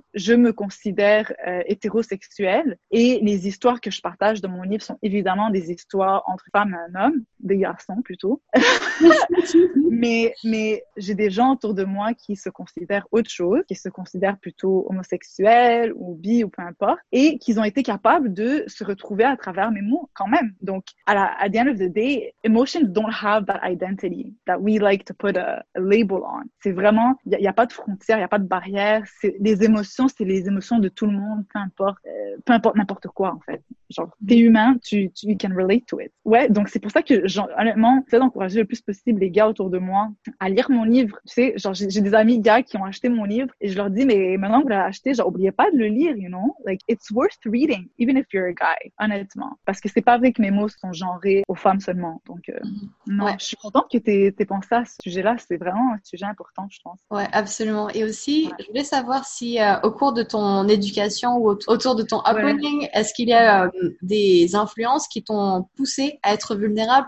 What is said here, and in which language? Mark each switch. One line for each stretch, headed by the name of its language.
French: Je me considère hétérosexuelle et les histoires que je partage dans mon livre sont évidemment des histoires entre femmes et un homme, des garçons plutôt. Mais j'ai des gens autour de moi qui se considèrent autre chose, qui se considèrent plutôt homosexuels ou bi ou peu importe, et qu'ils ont été capables de se retrouver à travers mes mots quand même. Donc, à
English: the end of the day, emotions don't have that identity that we like to put a label on.
French: C'est vraiment, il y a pas de frontières, il y a pas de barrières. C'est les émotions de tout le monde, peu importe n'importe quoi en fait. Genre, t'es humain,
English: you can relate to it.
French: Ouais, donc c'est pour ça que, honnêtement, j'essaie d'encourager le plus possible les gars autour de moi à lire mon livre. Tu sais, genre, j'ai des amis gars qui ont acheté mon livre et je leur dis, mais maintenant que vous l'avez acheté, genre, oubliez pas de le lire,
English: you know? Like, it's worth reading, even if you're a guy, honnêtement.
French: Parce que c'est pas vrai que mes mots sont genrés aux femmes seulement. Donc, non, je suis contente que t'aies pensé à ce sujet-là. C'est vraiment un sujet important, je pense. Ouais, absolument. Et aussi, Ouais. je voulais savoir si au cours de ton éducation ou autour de ton Ouais. upbringing, est-ce qu'il y a des influences qui t'ont poussé à être vulnérable?